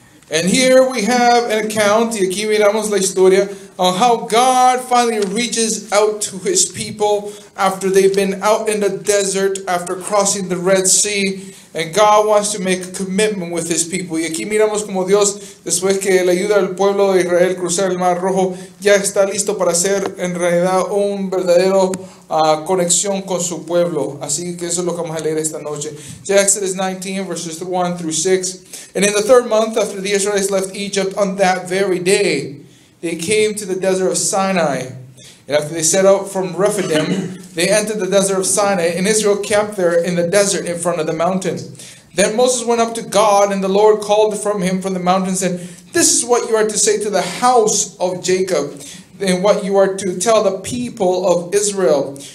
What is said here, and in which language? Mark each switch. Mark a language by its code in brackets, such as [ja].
[en] And here we have an account, [es] y aquí miramos la historia, [en] on how God finally reaches out to His people after they've been out in the desert, after crossing the Red Sea, and God wants to make a commitment with His people. [es] Y aquí miramos como Dios, después que le ayuda al pueblo de Israel cruzar el Mar Rojo, ya está listo para hacer en realidad un verdadero conexión con su pueblo. Así que eso es lo que vamos a leer esta noche. [en] So Exodus 19, verses 1 through 6. And in the third month, after the Israelites left Egypt, on that very day, they came to the desert of Sinai. And after they set out from Rephidim, they entered the desert of Sinai, and Israel camped there in the desert in front of the mountain. Then Moses went up to God, and the Lord called from him from the mountain, said, "This is what you are to say to the house of Jacob, and what you are to tell the people of Israel.